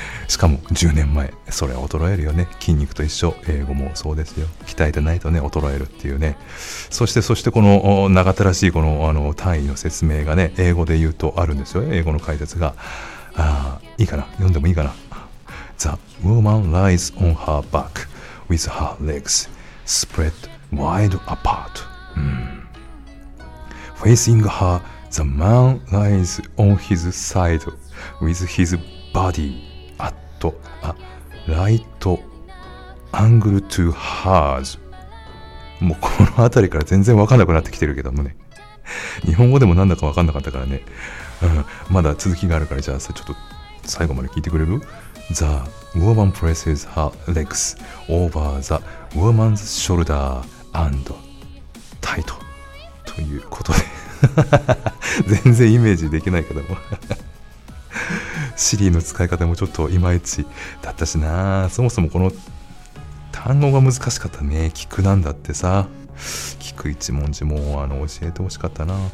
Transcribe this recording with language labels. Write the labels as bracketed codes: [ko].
[ja] しかも10年前、それは衰えるよね。筋肉と一緒、英語もそうですよ。鍛えてないとね、衰えるっていうね。そしてこの長田らしいこの単位の説明がね、英語で言うとあるんですよ。英語の解説が、あ、いいかな、読んでもいいかな。 [en] The woman lies on her back with her legs spread wide apart. Facing her, the man lies on his side with his body at a right angle to hers. [ja] もうこの辺りから全然わかんなくなってきてるけどもね。日本語でもなんだかわかんなかったからね。まだ続きがあるから、じゃあさ、ちょっと最後まで聞いてくれる？ [en] The woman presses her legs over the woman's shoulder and tight. [ja] ということで全然イメージできないけどもSiriの使い方もちょっといまいちだったしな。そもそもこの単語が難しかったね。聞くなんだってさ、聞く一文字も教えてほしかったな。